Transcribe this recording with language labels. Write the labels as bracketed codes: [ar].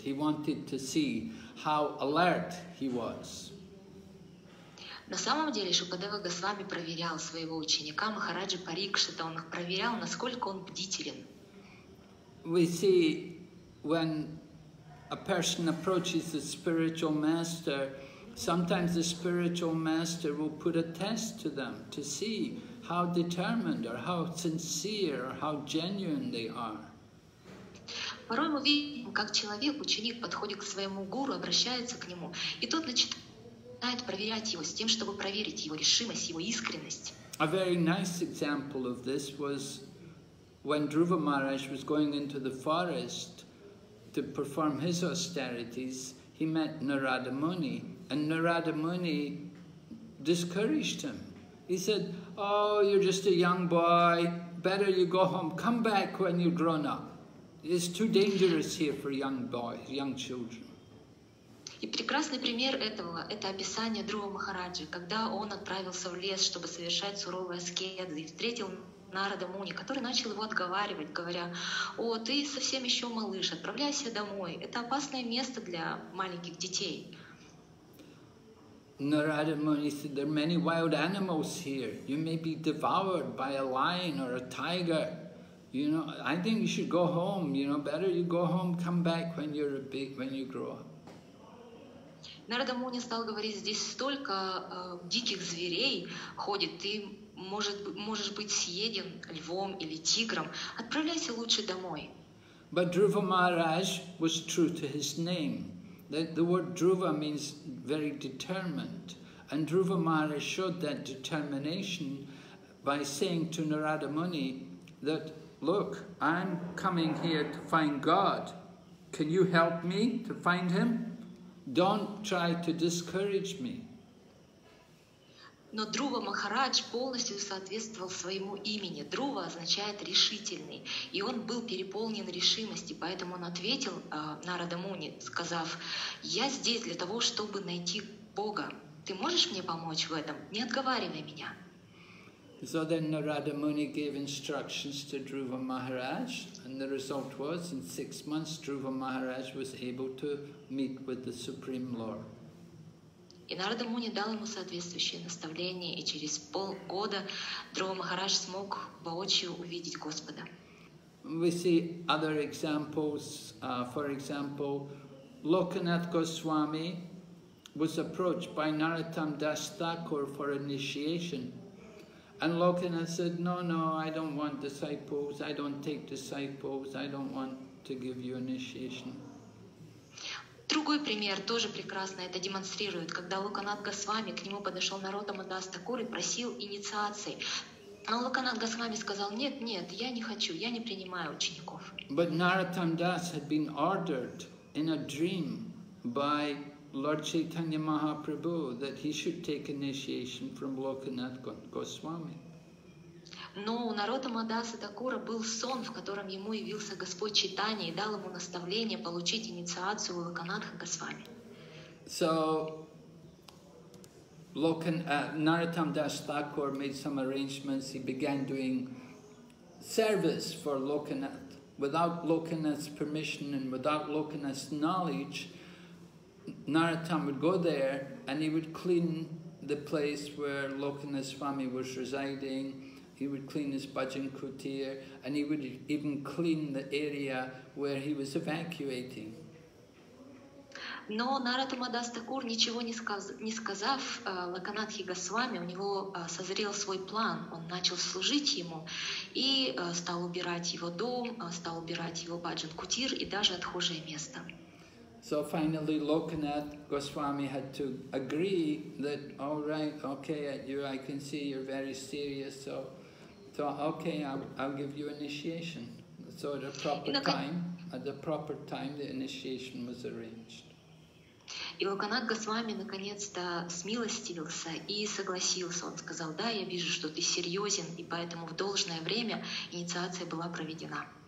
[en] He wanted to see how alert he was. [ru] На самом деле, Шукадева Госвами проверял своего ученика, Махараджа Парикшита. Он проверял, насколько он бдителен. [en] We see when a person approaches the spiritual master, sometimes the spiritual master will put a test to them to see how determined or how sincere or how genuine they are. [ru] Порой мы видим, как человек, ученик, подходит к своему гуру, обращается к нему, и тот начинает проверять его с тем, чтобы проверить его решимость, его искренность. [en] A very nice example of this was when Dhruva Maharaj was going into the forest to perform his austerities, he met Narada Muni, and Narada Muni discouraged him. He said, "Oh, you're just a young boy, better you go home, come back when you're grown up. It's too dangerous here for young boys, young children." [ru] И прекрасный пример этого – это описание Друва Махараджи, когда он отправился в лес, чтобы совершать суровые аскезы, и встретил Нарада Муни, который начал его отговаривать, говоря: «О, ты совсем еще малыш, отправляйся домой, это опасное место для маленьких детей». [en] Нарада Муни said, "There are many wild animals here. You may be devoured by a lion or a tiger. You know, I think you should go home. You know, better you go home, come back when you're big, when you grow up." [ru] Нарада Муни стал говорить: «Здесь столько диких зверей ходит, ты можешь быть съеден львом или тигром. Отправляйся лучше домой». [en] But Dhruva Maharaj was true to his name. The word Dhruva means very determined. And Dhruva Maharaj showed that determination by saying to Narada Muni that, "Look, I'm coming here to find God. Can you help me to find him? Don't try to discourage me." [ru] Но Друва Махарадж полностью соответствовал своему имени. Друва означает решительный. И он был переполнен решимости, поэтому он ответил Нарада Муни, сказав: "Я здесь для того, чтобы найти Бога. Ты можешь мне помочь в этом? Не отговаривай меня." [en] So then Narada Muni gave instructions to Dhruva Maharaj, and the result was, in 6 months, Dhruva Maharaj was able to meet with the Supreme Lord. [ru] И Нарада Муни дал ему соответствующее наставление, и через полгода Друва Махарадж смог воочию увидеть Господа. [en] We see other examples. For example, Lokanath Goswami was approached by Narottam Das Thakur for initiation. And Lokanath said, no, I don't want disciples, I don't take disciples, I don't want to give you initiation." [ru] Другой пример тоже прекрасно это демонстрирует, когда Локанат Госвами к нему подошел Наротама Дас Такур и просил инициации. Но Локанат Госвами сказал: нет, я не хочу, я не принимаю учеников. [en] But Narottam Das had been ordered in a dream by Lord Chaitanya Mahaprabhu that he should take initiation from Lokanath Goswami. [ru] Но у Нарота Мадаса Такура был сон, в котором ему явился Господь Чайтанья и дал ему наставление получить инициацию у Локанатха Госвами. [en] So, Narottam Das Thakur made some arrangements. He began doing service for Lokanath. Without Lokanath's permission and without Lokanath's knowledge, Narottam would go there and he would clean the place where Lokanath Swami was residing. He would clean his bhajan kutir and he would even clean the area where he was evacuating. [ru] Но Нарада Мадас Такур, ничего не сказав Локанатхе Госвами, у него созрел свой план. Он начал служить ему и стал убирать его дом, стал убирать его баджан кутир и даже отхожее место. [en] So finally Lokanath Goswami had to agree that all right, okay, you, I can see you're very serious, so okay, I'll give you initiation. So at the proper time the initiation was arranged. [ru] И Локанат Госвами наконец-то смилостивился и согласился. Он сказал, да, я вижу, что ты серьезен, и поэтому в должное время инициация была проведена.